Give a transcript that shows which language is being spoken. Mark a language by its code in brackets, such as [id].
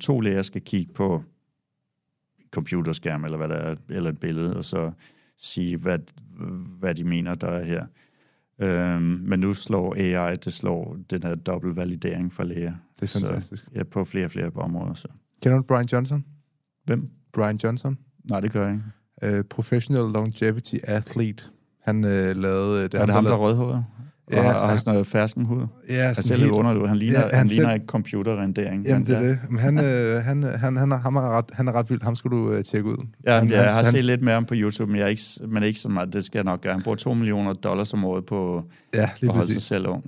[da] To læger skal kigge på computerskærm eller hvad der er, eller et billede, og så sige, hvad de mener, der er her. Men nu slår AI, det slår den her dobbelt validering fra læger. Det er fantastisk. Så, ja, på flere og flere områder. Så. Kender du Brian Johnson? Hvem? Brian Johnson? Nej, det gør jeg ikke. [en] Professional longevity athlete. [da] Han lavede... Der rødhåret? Og har sådan noget fersken hud. Ja, han ser lidt underligt ud. Han ligner ikke computerrendering. Jamen, det er det. Men han er ret vild. Ham skal du tjekke ud. Ja, jeg har set lidt mere om på YouTube, men ikke så meget. Det skal jeg nok gøre. Han bruger $2 millioner om året på at holde sig selv ung.